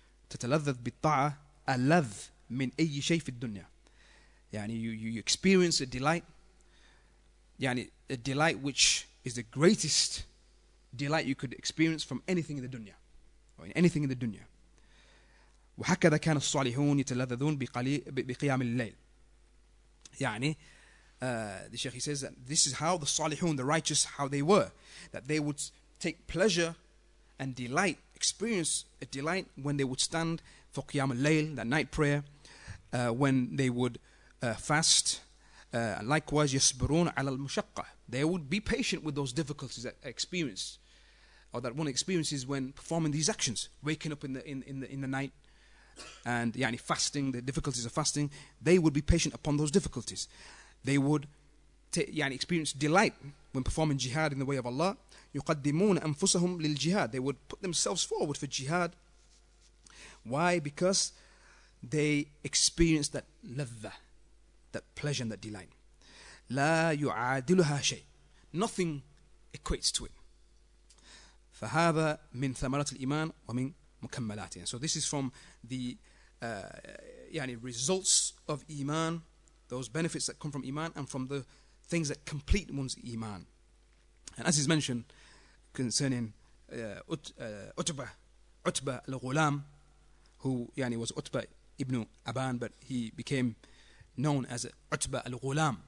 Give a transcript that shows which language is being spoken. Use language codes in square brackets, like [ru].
[ar] تتلذذ بالطاعة, اللذ من أي شيء في الدنيا. [en] يعني, you experience a delight, يعني, a delight which is the greatest delight you could experience from anything in the dunya, or in anything in the dunya. [ar] وهكذا كان الصالحون يتلذذون بقيام الليل. [en] يعني the Shaykh, he says that this is how the صالحون, the righteous, how they were, that they would take pleasure and delight, experience a delight when they would stand for قيام الليل, that night prayer, when they would fast. Likewise, [ar] يَسْبِرُونَ عَلَى الْمُشَقَّةِ. [en] They would be patient with those difficulties that experience, or that one experiences when performing these actions, waking up in the night, and يعني fasting, the difficulties of fasting. They would be patient upon those difficulties. They would يعني experience delight when performing jihad in the way of Allah. [ar] يُقَدِّمُونَ أَنفُسَهُمْ لِلْجِهَادِ. [en] They would put themselves forward for jihad. Why? Because they experience that لَذَّة, that pleasure and that delight. [ar] لا يعادلها شيء. [en] Nothing equates to it. [ar] فهذا من ثمرات الإيمان ومن مكملاته. [en] So this is from the يعني results of iman, those benefits that come from iman, and from the things that complete one's iman. And as is mentioned concerning Utba al-Ghulam, who يعني was Utba ibn Aban, but he became known as Utba al-Ghulam.